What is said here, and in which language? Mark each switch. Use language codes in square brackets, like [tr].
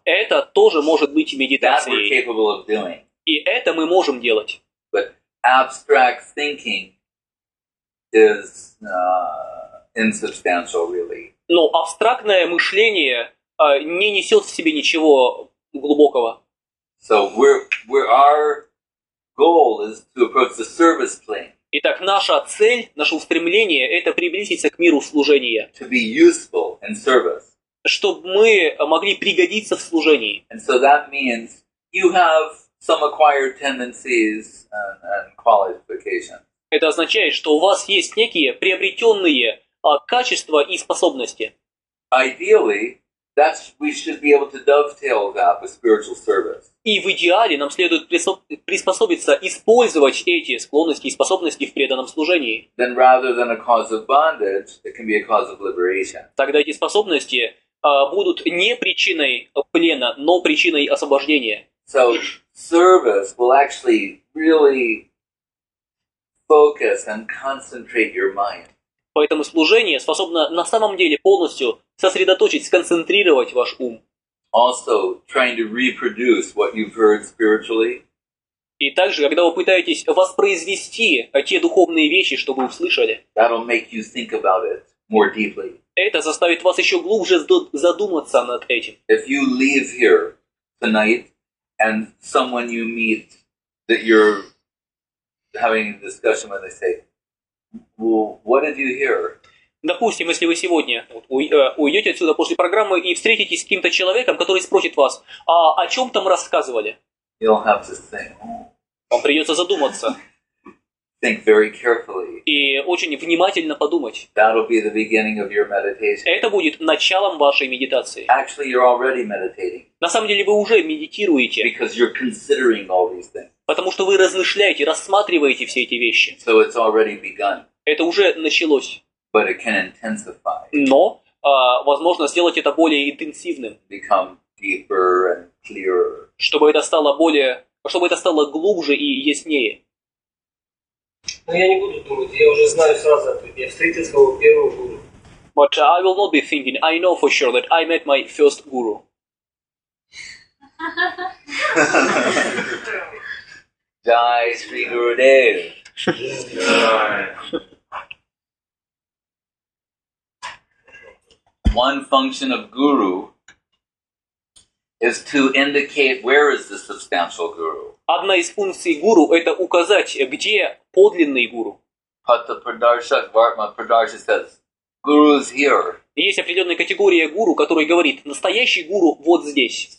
[ru] Это тоже может быть медитацией. [en] That we're capable of doing. [ru] И это мы можем делать. [en] But abstract thinking is insubstantial, really. [ru] Но абстрактное мышление не несет в себе ничего глубокого. [en] So our goal is to approach the service plane. [ru] Итак, наша цель, наше устремление – это приблизиться к миру служения. [en] To be useful in service. [ru] Чтобы мы могли пригодиться в служении. [en] And so that means you have some acquired tendencies and qualifications. [ru] Это означает, что у вас есть некие приобретенные качества и способности. [en] Ideally, that we should be able to dovetail that with spiritual service. [ru] И в идеале нам следует приспособиться использовать эти склонности и способности в преданном служении. [en] Then rather than a cause of bondage, it can be a cause of liberation. [ru] Тогда эти способности будут не причиной плена, но причиной освобождения. [en] So service will actually really focus and concentrate your mind. [ru] Поэтому служение способно на самом деле полностью сосредоточить, сконцентрировать ваш ум. [en] Also trying to reproduce what you've heard spiritually. [ru] И также, когда вы пытаетесь воспроизвести те духовные вещи, что вы услышали, [en] that'll make you think about it more deeply. [ru] Это заставит вас еще глубже задуматься над этим. [en] If you leave here tonight and someone you meet that you're having a discussion with, they say, well, what did you hear? [ru] Допустим, если вы сегодня уйдете отсюда после программы и встретитесь с каким-то человеком, который спросит вас, а о чем там рассказывали? [en] You'll have to think. [ru] Вам придется задуматься. [en] Think very carefully. [ru] И очень внимательно подумать. [en] That'll be the beginning of your meditation. [ru] Это будет началом вашей медитации. [en] Actually, you're already meditating. [ru] На самом деле вы уже медитируете. [en] Because you're considering all these things. [ru] Потому что вы размышляете, рассматриваете все эти вещи. [en] So it's already begun. [ru] Это уже началось. [en] But it can intensify. [ru] Но возможно сделать это более интенсивным. [en] Become deeper and clearer. [ru] Чтобы это стало глубже и яснее. Но я не буду думать, я уже знаю сразу ответ. Я встретил своего первого гуру. [en] But I will not be thinking. I know for sure that I met my first guru. [sa] Jai Sri Gurudev. [en] One function of guru is to indicate where is the substantial guru. [ru] Одна из функций гуру – это указать, где подлинный гуру. [en] Патта Прадарша, Вартма Прадарша says, guru is here. [ru] Есть определенная категория гуру, которая говорит, настоящий гуру вот здесь.